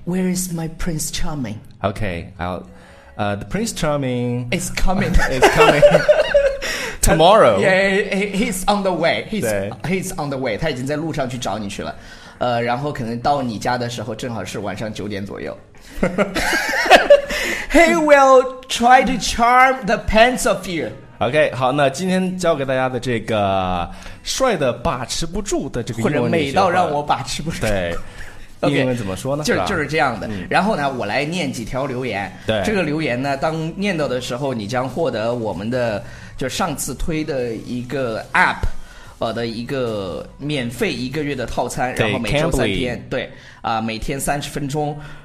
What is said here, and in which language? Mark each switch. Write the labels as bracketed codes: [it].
[en] Where is my Prince Charming？ OK， I'll， the Prince Charming is coming， is coming tomorrow。 Yeah， he's on the way， he's on the way， [zh] 他已经在路上去找你去了。然后可能到你家的时候正好是晚上九点左右。 [en] He will try to charm the pants off you。 [zh] OK， 好，那今天教给大家的这个帅的把持不住的这个英文，或者美到让我把持不住，对， okay，英文怎么说呢？就是这样的。然后呢，我来念几条留言。对，这个留言呢，当念到的时候，你将获得我们的就上次推的一个 app， 的一个免费一个月的套餐，然后每周三天，对，每天三十分钟。